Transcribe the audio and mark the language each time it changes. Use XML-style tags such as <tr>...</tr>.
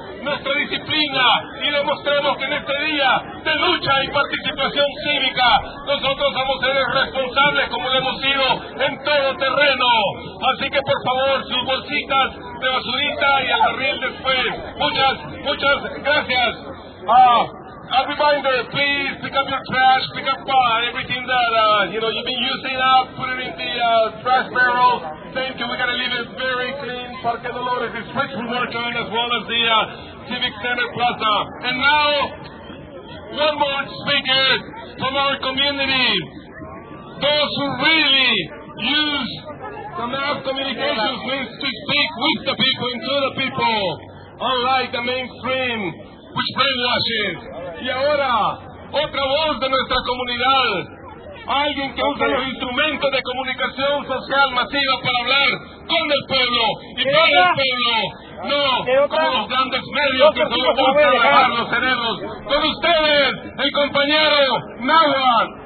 <es>nuestra disciplina y demostremos que en este día de lucha y participación cívica nosotros vamos a ser responsables como lo hemos sido en todo terreno. Así que por favor, sus bolsitas de basurita y al barril después. Muchas, muchas gracias.</es> <en>A reminder, please pick up your trash, pick up everything that you've been using up, put it in the trash barrel. Thank you, we're going to leave it very clean. Parque Dolores is rich with water as well as the Civic Center Plaza. And now, one more speaker from our community. Those who really use the mass communications means to speak with the people and to the people, unlike the mainstream, which brainwashes.</en> <es>Y ahora, otra voz de nuestra comunidad, alguien que usa los instrumentos de comunicación social masiva para hablar con el pueblo y para el pueblo, no como los grandes medios que solo buscan lavar los cerebros. Con ustedes, el compañero Nahuatl.</es>